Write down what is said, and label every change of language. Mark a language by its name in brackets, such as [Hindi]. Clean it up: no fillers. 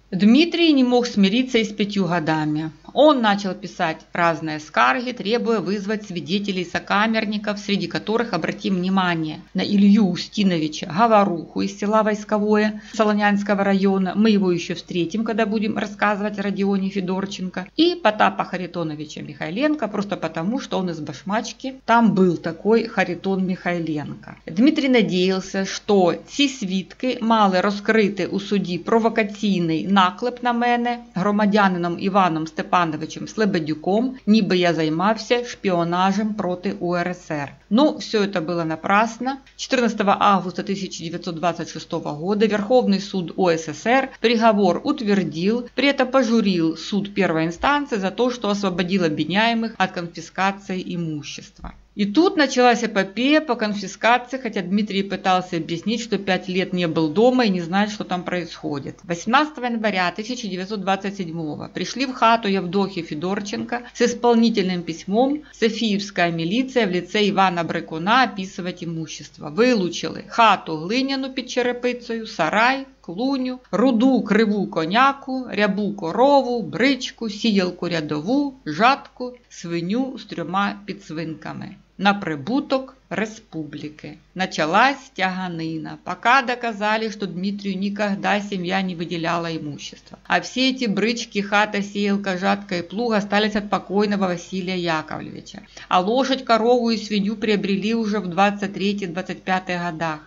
[Russian] Дмитрий не мог смириться и с 5 годами. Он начал писать разные скарги, требуя вызвать свидетелей сокамерников, среди которых обратим внимание на Илью Устиновича Говоруху из села Войсковое Солонянского района. Мы его еще встретим, когда будем рассказывать о Родионе Федорченко. И Потапа Харитоновича Михайленко, просто потому, что он из Башмачки. Там был такой Харитон Михайленко. Дмитрий надеялся, что [Ukrainian] ці свідки мали розкрити у суді провокаційний наклеп на мене громадянином Іваном Степановичем Слебедюком, ніби я займався шпіонажем проти УРСР. [Russian] Но все это было напрасно. 14 августа 1926 года Верховный суд УССР приговор утвердил, при этом пожурил суд первой инстанции за то, что освободил обвиняемых от конфискации имущества. И тут началась эпопея по конфискации, хотя Дмитрий пытался объяснить, что 5 лет не был дома и не знает, что там происходит. 18 января 1927 пришли в хату Евдохи Федорченко с исполнительным письмом софиевская милиция в лице Ивана Брикуна описывать имущество. [Ukrainian] Вылучили хату глиняну під черепицею, сарай, клуню, руду криву коняку, рябу корову, бричку, сіялку рядову, жатку, свиню з трьома підсвинками. На прибуток [Russian] республики. Началась тяганина, пока доказали, что Дмитрию никогда семья не выделяла имущество. А все эти брычки, хата, сеялка, жатка и плуг остались от покойного Василия Яковлевича. А лошадь, корову и свинью приобрели уже в 23-25 годах.